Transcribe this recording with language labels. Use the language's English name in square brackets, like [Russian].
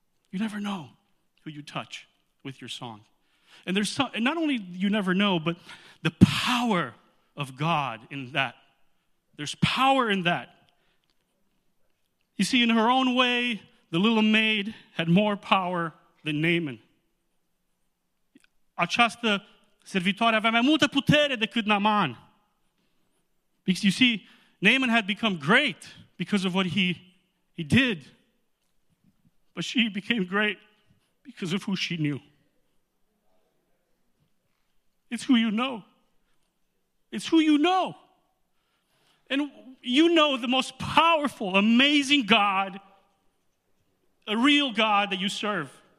[English] You never know who you touch with your song. And there's some, and not only you never know, but the power of God in that. There's power in that. You see, in her own way, the little maid had more power than Naaman. [Romanian] Această servitoare avea mai multă putere decât Naaman. [English] Because you see, Naaman had become great because of what he did. But she became great because of who she knew. It's who you know. It's who you know. And you know the most powerful, amazing God, a real God that you serve.